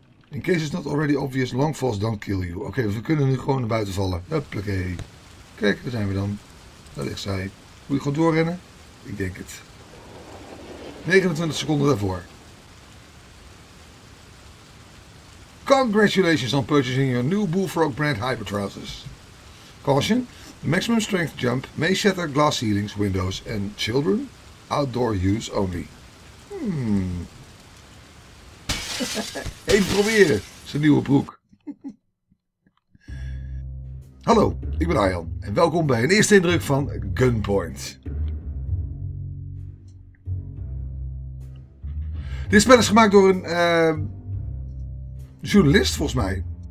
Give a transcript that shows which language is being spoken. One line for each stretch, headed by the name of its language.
English: In case it's not already obvious, long falls don't kill you.
Dutch: Oké, we kunnen nu gewoon naar buiten vallen. Hoppakee. Kijk, daar zijn we dan. Daar ligt zij. Moet je gewoon doorrennen? Ik denk het. 29 seconden daarvoor.
English: Congratulations on purchasing your new Bullfrog brand hyper trousers. Caution, the maximum strength jump may shatter glass ceilings, windows and children, outdoor use only.
Dutch: Even proberen, zijn nieuwe broek. Hallo, ik ben Arjan en welkom bij een eerste indruk van Gunpoint. Dit spel is gemaakt door een journalist, volgens mij.